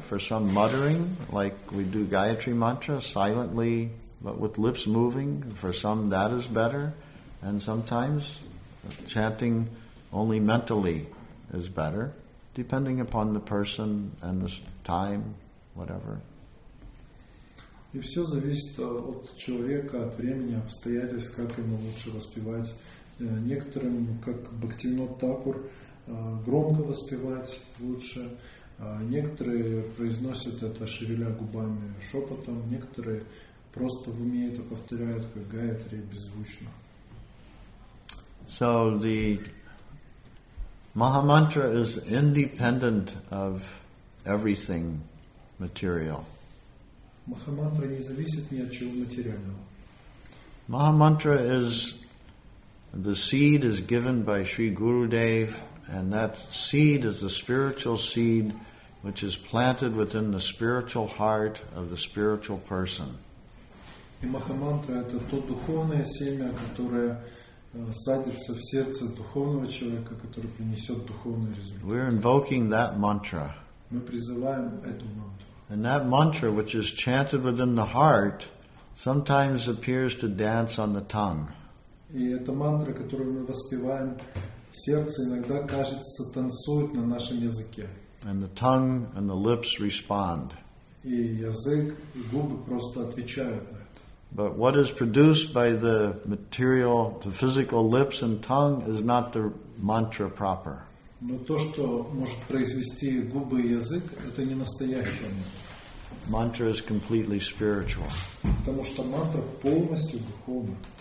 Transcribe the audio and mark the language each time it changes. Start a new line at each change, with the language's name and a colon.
English: For some muttering, like we do Gayatri Mantra, silently, but with lips moving. For some that is better. And sometimes chanting only mentally is better. Depending upon the person and the time, whatever.
Russian: И все зависит от человека, от времени, обстоятельств, как ему лучше воспевать. Некоторым, как Бхактивинода Такур, громко воспевать лучше. Некоторые произносят это, шевеля губами, шепотом. Некоторые просто в уме это повторяют, как Гаятри, беззвучно.
English: So the Mahamantra is independent of everything material.
Russian: Mahamantra не зависит ни от чего материального.
English: Mahamantra is the seed is given by Sri Gurudev, and that seed is the spiritual seed which is planted within the spiritual heart of the spiritual person.
Russian: И Mahamantra это то духовное семя, которое садится в сердце духовного человека, который принесет духовный результат.
English: We're invoking that mantra.
Russian: Мы призываем эту мантру.
English: And that mantra, which is chanted within the heart, sometimes appears to dance on the tongue.
Russian: И эта мантра, которую мы воспеваем в сердце, иногда кажется танцует на нашем языке.
English: And the tongue and the lips respond.
Russian: И язык и губы просто отвечают.
English: But what is produced by the material, the physical lips and tongue, is not the mantra proper.
Russian: Но то, что может произвести губы и язык, это не настоящее мантра.
English: Mantra is completely spiritual.
Russian: Потому что мантра полностью духовна.